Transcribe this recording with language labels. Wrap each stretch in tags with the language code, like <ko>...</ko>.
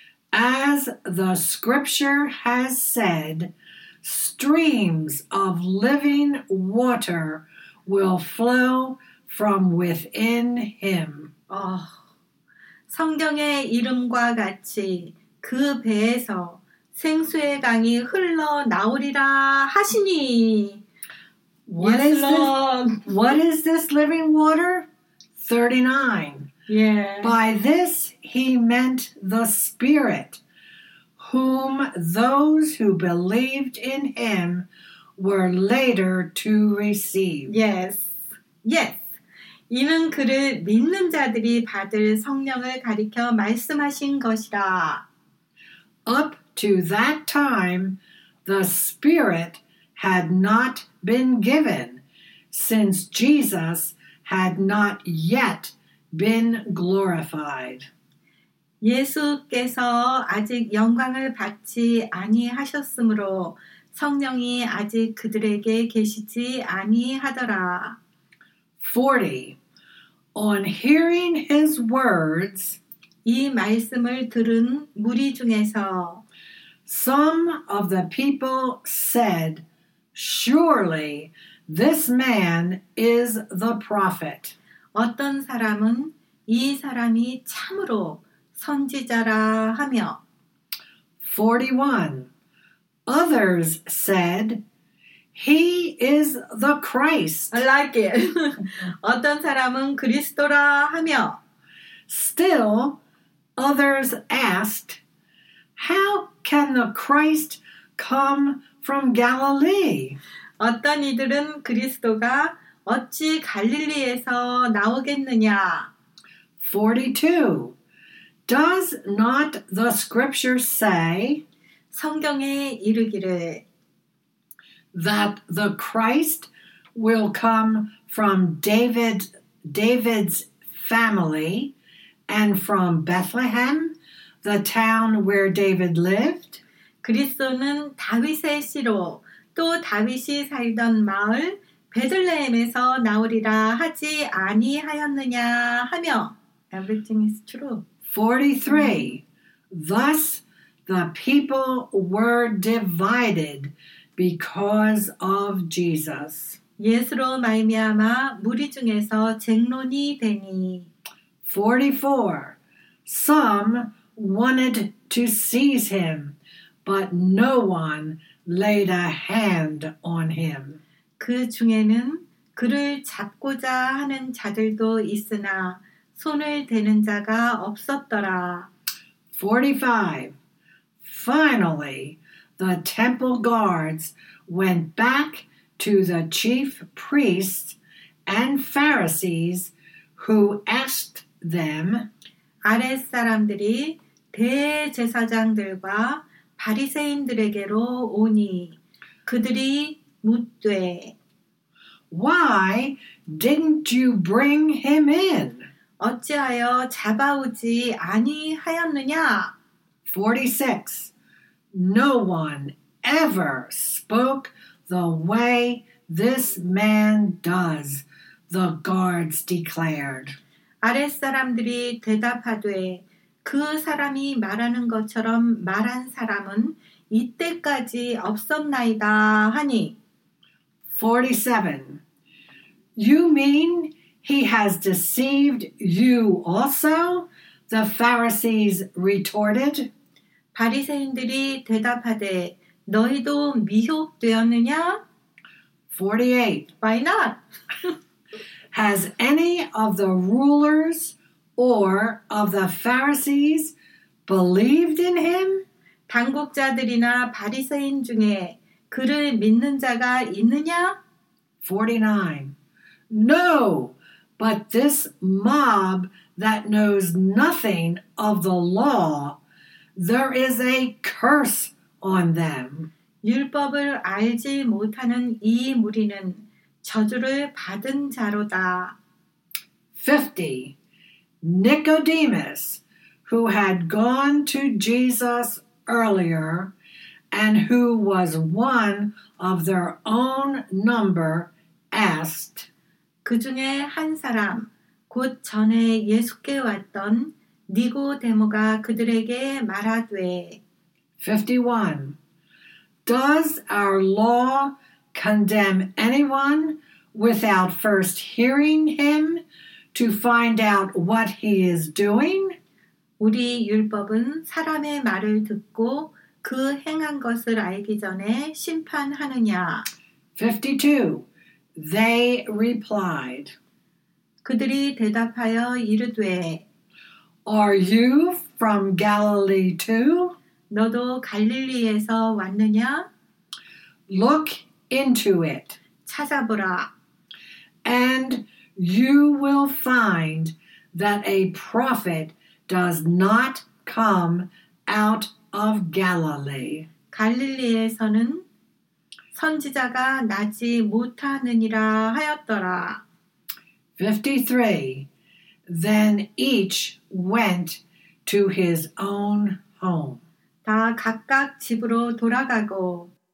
<en>as the scripture has said, streams of living water will flow from within him.</en> <ko>Oh, 성경의 이름과 같이 그 배에서 생수의 강이 흘러나오리라 하시니.</ko> <en>What, yes, is this, what is this living water? 39. Yeah. By this he meant the Spirit, whom those who believed in him were later to receive. Yes. Yes.</en> <ko>이는 그를 믿는 자들이 받을 성령을 가리켜 말씀하신 것이라.</ko> <en>Up to that time, the Spirit had not been given, since Jesus had not yet been glorified.</en> <ko>예수께서 아직 영광을 받지 아니하셨으므로 성령이 아직 그들에게 계시지 아니하더라.</ko> <en>40. On hearing his words,</en> <ko>이 말씀을 들은 무리 중에서</ko> <en>Some of the people said, Surely this man is the prophet.</en> <ko>어떤 사람은 이 사람이 참으로 선지자라 하며</ko> <en>41. Others said, He is the Christ. I like it.</en> <ko>어떤 사람은 그리스도라 하며</ko> <en>Still, others asked, How can the Christ come from Galilee?</en> <ko>어떤 이들은 그리스도가 어찌 갈릴리에서 나오겠느냐?</ko> <en>42. Does not the scripture say,</en> <ko>성경에 이르기를,</ko> <en>that the Christ will come from David's family and from Bethlehem? The town where David lived?</en> <ko>그리스도는 다윗의 씨로 또 다윗이 살던 마을 베들레헴에서 나오리라 하지 아니하였느냐 하며</ko> <en>Everything is true. 43. Thus the people were divided because of Jesus.</en> <ko>예수로 말미암아 무리 중에서 쟁론이 되니</ko> <en>44. Some wanted to seize him, but no one laid a hand on him.</en> <ko>그 중에는 그를 잡고자 하는 자들도 있으나 손을 대는 자가 없었더라.</ko> <en>45. finally, the temple guards went back to the chief priests and Pharisees who asked them,</en> <ko>아래 사람들이 대제사장들과 바리새인들에게로 오니 그들이 묻되,</ko> <en>Why didn't you bring him in?</en> <ko>어찌하여 잡아오지 아니하였느냐?</ko> <en>46. No one ever spoke the way this man does, the guards declared.</en> <ko>아랫사람들이 대답하되, 그 사람이 말하는 것처럼 말한 사람은 이때까지 없었나이다 하니.</ko> <en>47. You mean he has deceived you also? The Pharisees retorted.</en> <ko>바리새인들이 대답하되, 너희도 미혹되었느냐?</ko> <en>48. Why not? Has any of the rulers or of the Pharisees believed in him?</en> <ko>당국자들이나 바리새인 중에 그를 믿는 자가 있느냐?</ko> <en>49. No, but this mob that knows nothing of the law, there is a curse on them.</en> <ko>율법을 알지 못하는 이 무리는 저주를 받은 자로다.</ko> <en>50. Nicodemus, who had gone to Jesus earlier and who was one of their own number, asked,</en> <ko>그 중에 한 사람, 곧 전에 예수께 왔던 니고데모가 그들에게 말하되,</ko> <en>51. Does our law condemn anyone without first hearing him to find out what he is doing?</en> <ko>우리 율법은 사람의 말을 듣고 그 행한 것을 알기 전에 심판하느냐?</ko> <en>52. They replied.</en> <ko>그들이 대답하여 이르되,</ko> <en>Are you from Galilee too?</en> <ko>너도 갈릴리에서 왔느냐?</ko> <en>Look into it.</en> <ko>찾아보라.</ko> <en>And you will find that a prophet does not come out of Galilee.</en> <ko>갈릴리에서는 선지자가 나지 못하느니라 하였더라.</ko> <en>53. Then each went to his own home.</en> <ko>다 각각 집으로 돌아가고.</ko>